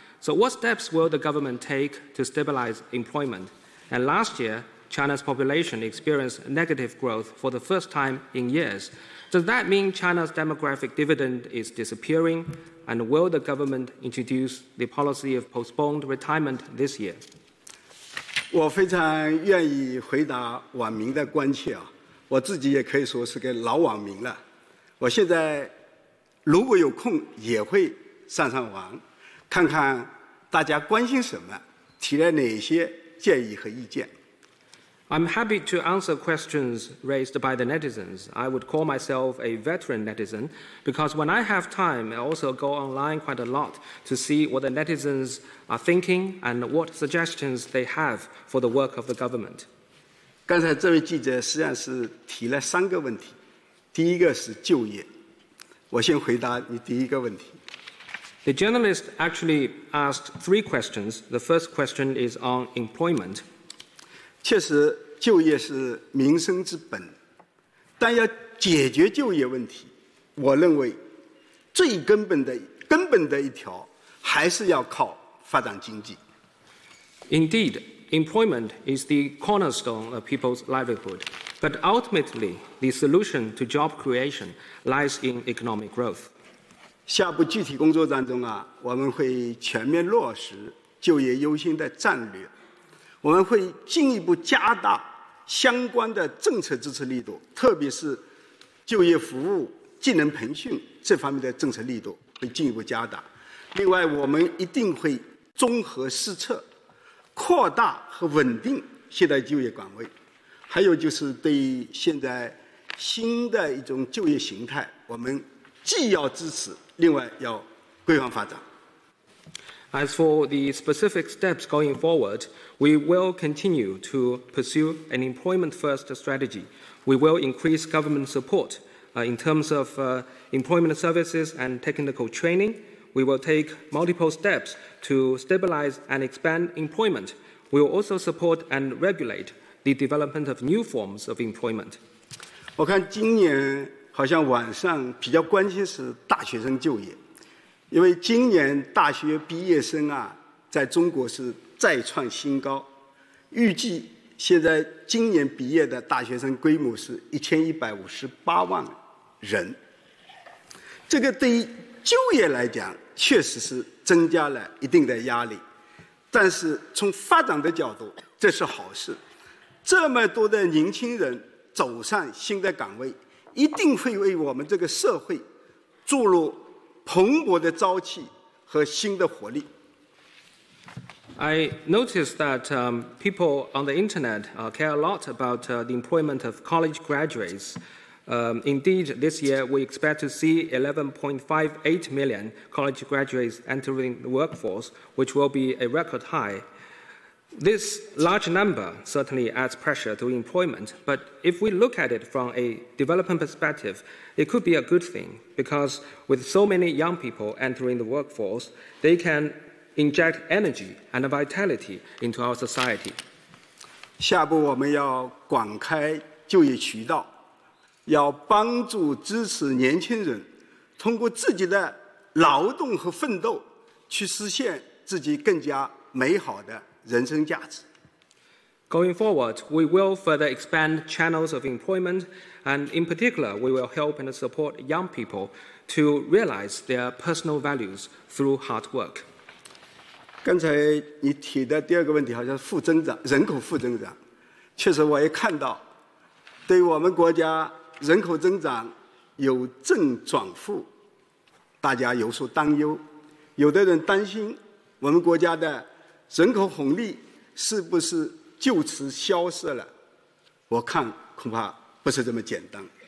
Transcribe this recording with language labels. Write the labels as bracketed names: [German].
[English] So what steps will the government take to stabilize employment? And last year, China's population experienced negative growth for the first time in years. Does that mean China's demographic dividend is disappearing? And will the government introduce the policy of postponed retirement this year? [Chinese] 我非常愿意回答网民的关切啊，我自己也可以说是个老网民了。我现在如果有空也会上上网，看看大家关心什么，提了哪些建议和意见。 [English] I'm happy to answer questions raised by the netizens. I would call myself a veteran netizen because when I have time, I also go online quite a lot to see what the netizens are thinking and what suggestions they have for the work of the government. [Chinese] 刚才这位记者实际上是提了三个问题，第一个是就业，我先回答你第一个问题。 [English] The journalist actually asked three questions. The first question is on employment. [Chinese] 确实就业是民生之本，但要解决就业问题，我认为最根本的一条还是要靠发展经济。 [English] Indeed, employment is the cornerstone of people's livelihood, but ultimately the solution to job creation lies in economic growth. [Chinese] 下部具体工作当中啊，我们会全面落实就业优先的战略，我们会进一步加大相关的政策支持力度，特别是就业服务、技能培训这方面的政策力度会进一步加大。另外，我们一定会综合施策，扩大和稳定现代就业岗位。还有就是对于现在新的一种就业形态，我们既要支持，另外要规范发展。 [English] As for the specific steps going forward, we will continue to pursue an employment-first strategy. We will increase government support in terms of employment services and technical training. We will take multiple steps to stabilize and expand employment. We will also support and regulate the development of new forms of employment. [Chinese] 我看今年好像晚上比较关心是大学生就业。因为今年大学毕业生啊，在中国是再创新高，预计现在今年毕业的大学生规模是1158万人。这个对于就业来讲，确实是增加了一定的压力，但是从发展的角度，这是好事。这么多的年轻人走上新的岗位，一定会为我们这个社会注入蓬勃的朝气和新的活力。 [English] I noticed that people on the internet care a lot about the employment of college graduates. Indeed, this year we expect to see 11.58 million college graduates entering the workforce, which will be a record high. This large number certainly adds pressure to employment, but if we look at it from a development perspective,It could be a good thing because with so many young people entering the workforce, they can inject energy and vitality into our society. [Chinese] 下步我们要广开就业渠道，要帮助支持年轻人通过自己的劳动和奋斗去实现自己更加美好的人生价值。 [English] Going forward, we will further expand channels of employment, and in particular, we will help and support young people to realize their personal values through hard work. [Chinese] 刚才你提的第二个问题好像负增长，人口负增长，确实我也看到，对我们国家人口增长由正转负，大家有所担忧，有的人担心我们国家的人口红利是不是就此消失了，我看恐怕不是这么简单。